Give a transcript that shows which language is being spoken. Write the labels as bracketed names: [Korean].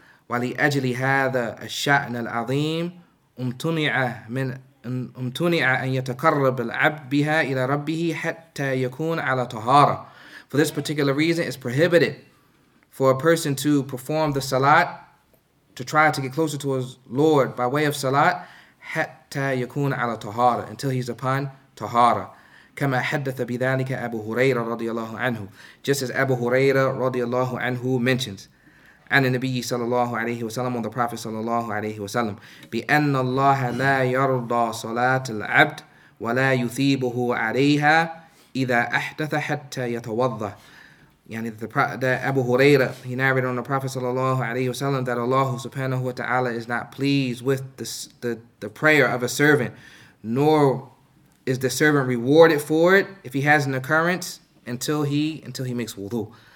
[Arabic] وَلِأَجْلِ هَذَا الشَّأْنَ الْعَظِيمِ أُمْتُنِعَ مِنْ أُمْتُنِعَ أَنْ يَتَقَرَّبَ الْعَبْدُ بِهَا إِلَى رَبِّهِ حَتَّى يَكُونَ عَلَى طَهَارَةٍ. [English] For this particular reason, it's prohibited for a person to perform the salat, to try to get closer to his Lord by way of salat, [Arabic] حَتَّى يَكُونَ عَلَى طَهَارَةٍ, [English] until he's upon tahara. [Arabic] كَمَا حَدَّثَ بِذَلِكَ أَبُو هُرَيْرَ رَضِيَ اللَّهُ عَنْهُ, [English] just as Abu Huraira رَضِيَ اللَّهُ عَنْهُ mentions. [Arabic] عن النبي صلى الله عليه وسلم, [English] on the Prophet صلى الله عليه وسلم, [Arabic] بِأَنَّ اللَّهَ لَا يَرْضَى صَلَاةَ الْعَبْدِ وَلَا يُثِيبُهُ عَلَيْهَا إِذَا أَحْدَثَ حَتَّى يَتَوَضَّى. [English] Yani that Abu Huraira, he narrated on the Prophet صلى الله عليه وسلم that Allah subhanahu wa ta'ala is not pleased with the prayer of a servant, nor is the servant rewarded for it if he has an occurrence until he makes wudu.